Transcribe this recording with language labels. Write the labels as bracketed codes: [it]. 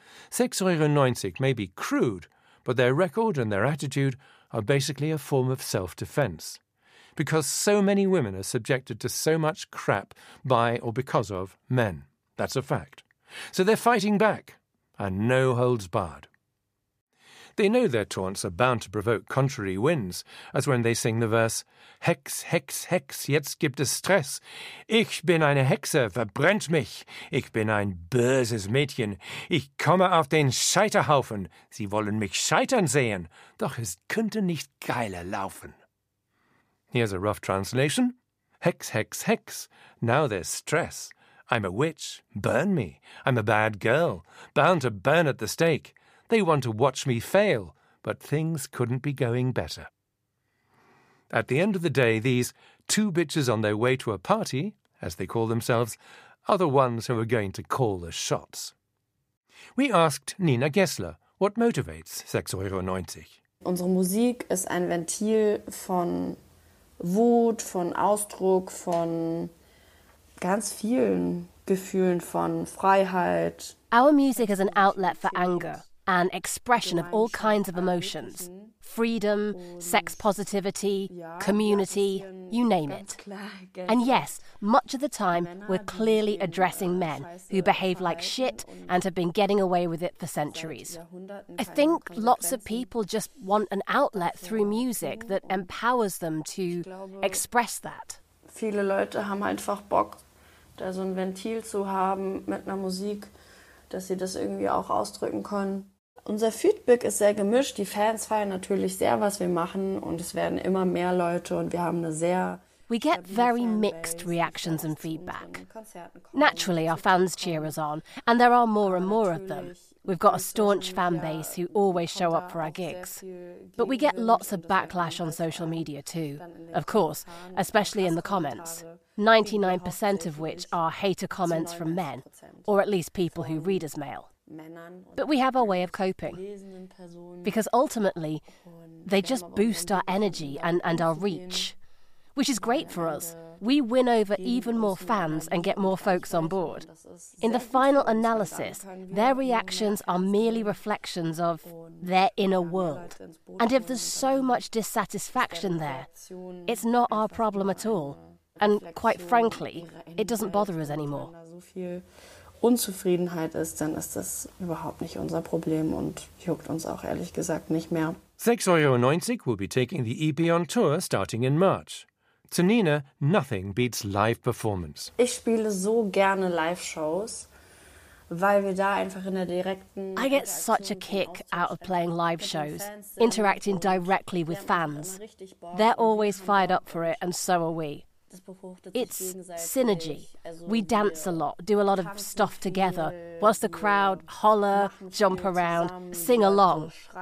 [en] 6,90 € may be crude, but their record and their attitude are basically a form of self-defence, because so many women are subjected to so much crap by or because of men. That's a fact. So they're fighting back, and no holds barred. They know their taunts are bound to provoke contrary winds, as when they sing the verse, [de] Hex, Hex, Hex, jetzt gibt es Stress. Ich bin eine Hexe, verbrennt mich. Ich bin ein böses Mädchen. Ich komme auf den Scheiterhaufen. Sie wollen mich scheitern sehen. Doch es könnte nicht geiler laufen. [en] Here's a rough translation. Hex, Hex, Hex, now there's stress. I'm a witch, burn me. I'm a bad girl, bound to burn at the stake. They want to watch me fail, but things couldn't be going better. At the end of the day, these two bitches on their way to a party, as they call themselves, are the ones who are going to call the shots. We asked Nina Gessler what motivates 6,90 €. [de] Unsere Musik ist ein Ventil von Wut, von Ausdruck, von ganz vielen Gefühlen von Freiheit. [en] Our music is an outlet for anger. An expression of all kinds of emotions. Freedom, sex positivity, community, you name it. And yes, much of the time we're clearly addressing men who behave like shit and have been getting away with it for centuries. I think lots of people just want an outlet through music that empowers them to express that. [de] Viele Leute haben einfach Bock, da so ein Ventil zu haben mit einer Musik, dass sie das irgendwie auch ausdrücken können. Unser Feedback ist sehr gemischt. Die Fans feiern natürlich sehr, was wir machen, und es werden immer mehr Leute, und wir haben eine sehr... [en] We get very mixed reactions and feedback. Naturally, our fans cheer us on, and there are more and more of them. We've got a staunch fan base who always show up for our gigs. But we get lots of backlash on social media too, of course, especially in the comments, 99% of which are hater comments from men, or at least people who read us mail. But we have our way of coping, because ultimately they just boost our energy and our reach, which is great for us. We win over even more fans and get more folks on board. In the final analysis, their reactions are merely reflections of their inner world. And if there's so much dissatisfaction there, it's not our problem at all. And quite frankly, it doesn't bother us anymore. [de] Unzufriedenheit ist, dann ist das überhaupt nicht unser Problem und juckt uns auch ehrlich gesagt nicht mehr. [en] 6,90 € will be taking the EP on tour starting in March. To Nina, nothing beats live performance. [de] Ich spiele so gerne Live-Shows, weil wir da einfach in der direkten... [en] I get such a kick out of playing live shows, interacting directly with fans. They're always fired up for it and so are we. It's synergy. We dance a lot, do a lot of stuff together, whilst the crowd holler, jump around, sing along.